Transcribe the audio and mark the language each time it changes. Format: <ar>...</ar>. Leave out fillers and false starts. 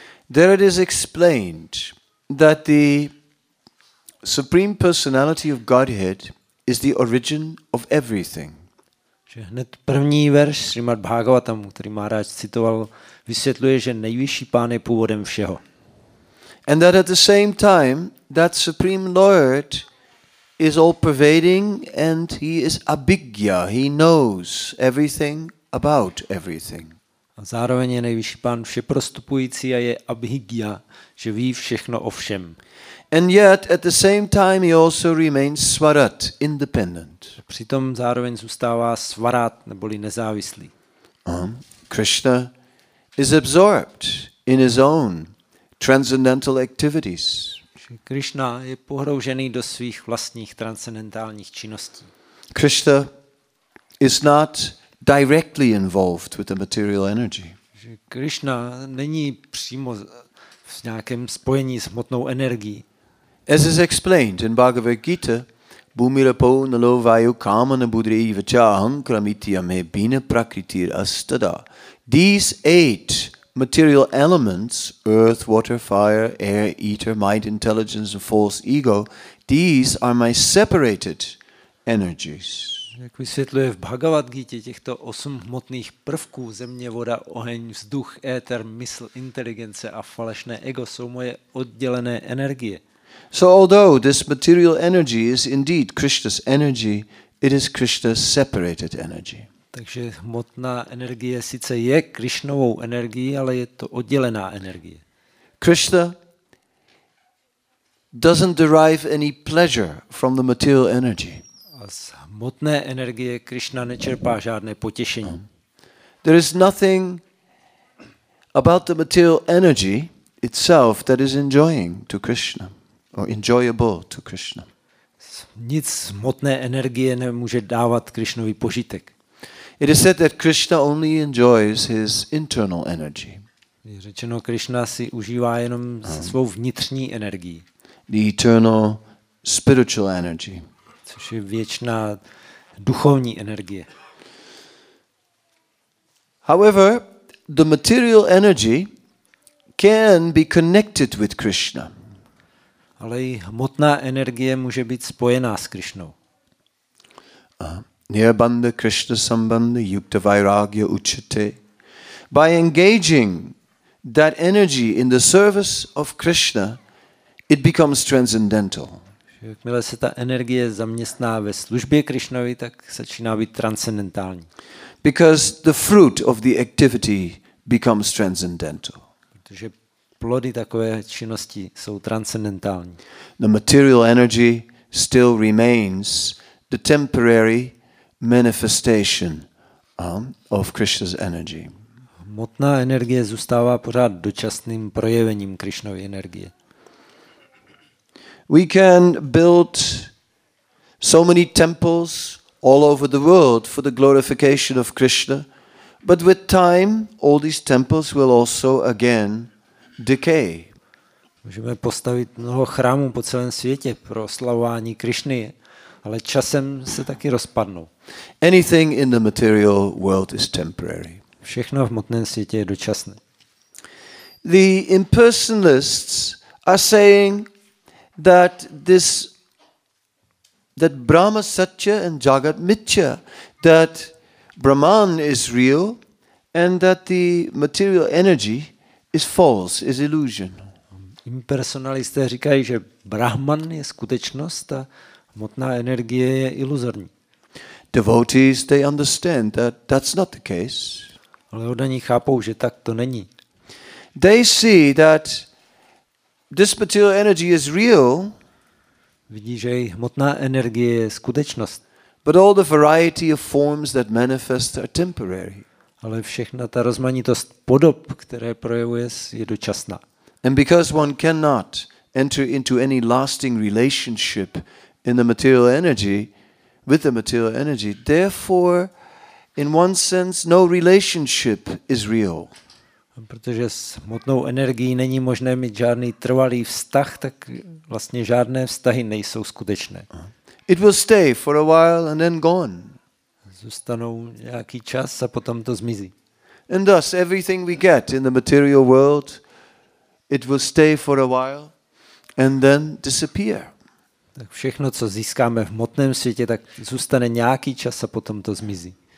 <en>There it is explained that the Supreme Personality of Godhead is the origin of everything.</en> <cs>Že hned první verš Srimad Bhagavatam, který Maharaj citoval, vysvětluje, že nejvyšší pán je původem všeho.</cs> <en>And that at the same time, that Supreme Lord is all-pervading and he is abhigya. He knows everything about everything.</en> <cs>A zároveň je nejvyšší pán všeprostupující a je abhigya, že ví všechno o všem.</cs> <en>And yet, at the same time, he also remains svarat, independent.</en> <cs>Přitom zároveň zůstává svarat, neboli nezávislý.</cs> <en>Krishna is absorbed in his own transcendental activities.</en> <cs>Krishna je pohroužený do svých vlastních transcendentálních činností.</cs> <en>Krishna is not directly involved with the material energy.</en> <cs>Krishna není přímo v nějakém spojení s hmotnou energií.</cs> <en>As is explained in Bhagavad Gita,</en> <sa>Bhumirapo nalo vayu kamana budri vacha ahankramitya me bina prakritir astada.</sa> <en>These eight material elements, earth, water, fire, air, ether, mind, intelligence, and false ego, these are my separated energies.</en> <cs>Jak vysvětluje v Bhagavad Gita těchto osm hmotných prvků, země, voda, oheň, vzduch, éter, mysl, inteligence a falešné ego, jsou moje oddělené energie.</cs> <en>So although this material energy is indeed Krishna's energy, it is Krishna's separated energy.</en> <cs>Takže hmotná energie sice je Krišnovou energií, ale je to oddělená energie.</cs> <en>Krishna doesn't derive any pleasure from the material energy.</en> <cs>A z hmotné energie Krišna nečerpá žádné potěšení.</cs> <en>There is nothing about the material energy itself that is enjoying to Krishna or enjoyable to Krishna.</en> <cs>Nic z hmotné energie nemůže dávat Krišnovi požitek.</cs> <en>It is said that Krishna only enjoys his internal energy.</en> <cs>Je řečeno, Krishna si užívá jenom svou vnitřní energii.</cs> <en>The eternal spiritual energy.</en> <cs>Což je věčná duchovní energie.</cs> <en>However, the material energy can be connected with Krishna.</en> <cs>Ale i hmotná energie může být spojená s Krishnou.</cs> <sa>Nirbandha Krishna sambandha yukta vairagya uchate.</sa> <en>By engaging that energy in the service of Krishna, it becomes transcendental.</en> <cs>Jakmile se ta energie zaměstná ve službě Krishnovi, tak začíná být transcendentální.</cs> <en>Because the fruit of the activity becomes transcendental.</en> <cs>Protože plody takové činnosti jsou transcendentální.</cs> <en>The material energy still remains the temporary manifestation of Krishna's energy.</en> <cs>Hmotná energie zůstává pořád dočasným projevením Krishnovy energie.</cs> <en>We can build so many temples all over the world for the glorification of Krishna, but with time all these temples will also again decay.</en> <cs>Můžeme postavit mnoho chrámů po celém světě pro oslavování Krishny, ale časem se taky rozpadnou.</cs> <en>Anything in the material world is temporary.</en> <cs>Všechno v hmotném světě je dočasné.</cs> <en>The impersonalists are saying that this that Brahma Satya and Jagat Mitya, that Brahman is real and that the material energy is false, is illusion.</en> <cs>Impersonalisté říkají, že Brahman je skutečnost a hmotná energie je iluzorní.</cs> <en>Devotees, they understand that that's not the case.</en> <cs>Ale oni chápou, že tak to není.</cs> <en>They see that this material energy is real.</en> <cs>Vidí, že i hmotná energie je skutečnost.</cs> <en>But all the variety of forms that manifest are temporary.</en> <cs>Ale všechna ta rozmanitost podob, které projevuje, je dočasná.</cs> <en>And because one cannot enter into any lasting relationship in the material energy with the material energy, therefore in one sense no relationship is real.</en> <cs>Protože s hmotnou energií není možné mít žádný trvalý vztah, tak vlastně žádné vztahy nejsou skutečné.</cs> <en>It will stay for a while and then gone.</en> <cs>Zůstanou nějaký čas a potom to zmizí.</cs> <en>And thus everything we get in the material world, it will stay for a while and then disappear.</en> <cs>Tak všechno, co získáme v hmotném světě, tak zůstane nějaký čas a potom to zmizí.</cs>